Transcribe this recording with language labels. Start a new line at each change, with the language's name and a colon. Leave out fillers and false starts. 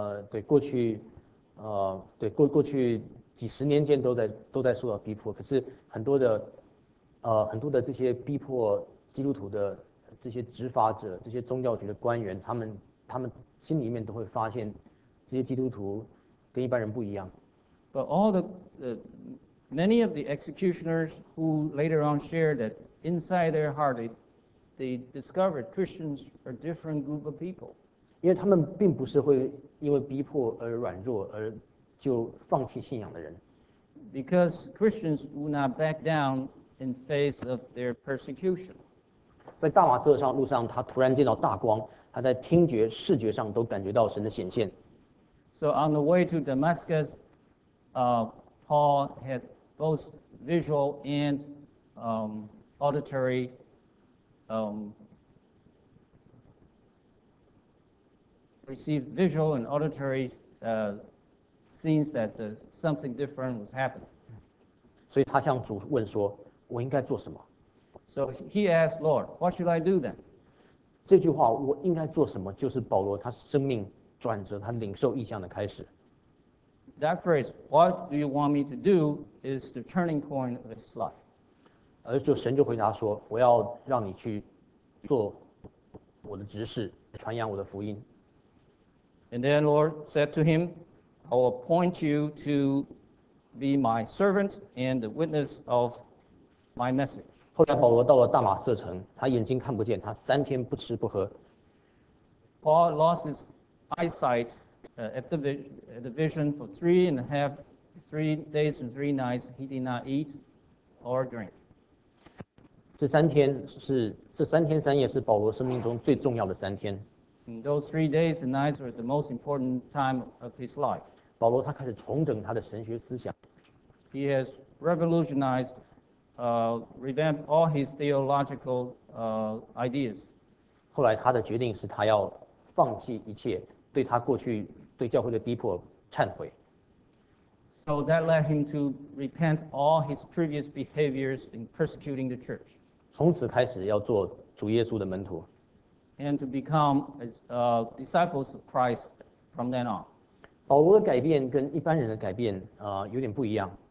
Chinese: 对，过去，对过去几十年间都在受到逼迫。可是很多的这些逼迫基督徒的这些执法者、这些宗教局的官员，他们心里面都会发现，这些基督徒跟一般人不一样。
English: But all the many of the executioners who later on shared that inside their heart they discovered Christians are a different group of people.
Chinese: 因为他们并不是会因为逼迫而软弱而就放弃信仰的人。
English: Because Christians would not back down in face of their persecution.
Chinese: 在大马色上路上，他突然见到大光，他在听觉、视觉上都感觉到神的显现。
English: So on the way to Damascus, Paul had both visual and auditory. Received visual and auditory scenes that something different was happening.
Chinese: 所以他向主问说，我应该做什么？
English: So he asked Lord, what should I do then?
Chinese: 这句话我应该做什么，就是保罗他生命转折，他领受异象的开始。
English: That phrase, what do you want me to do, is the turning point of his life.
Chinese: 而就神就回答说，我要让你去做我的执事，传扬我的福音。
English: And then Lord said to him, I will appoint you to be my servant and the witness of my message.
Chinese: 后来保罗到了大马色城，他眼睛看不见，他三天不吃不喝。
English: Paul lost his eyesight at the vision for three days and three nights. He did not eat or drink.
Chinese: 这三天三夜是保罗生命中最重要的三天。
English: And those 3 days and nights were the most important time of his life.
Chinese: 保罗他开始重整他的神学思想。
English: He has revolutionized, revamped all his theological ideas.
Chinese: 后来他的决定是他要放弃一切，对他过去对教会的逼迫忏悔。
English: So that led him to repent all his previous behaviors in persecuting the church.
Chinese: 从此开始要做主耶稣的门徒。
English: And to become disciples of Christ from then on.
Chinese: 保罗的改变跟一般人的改变有点不一样。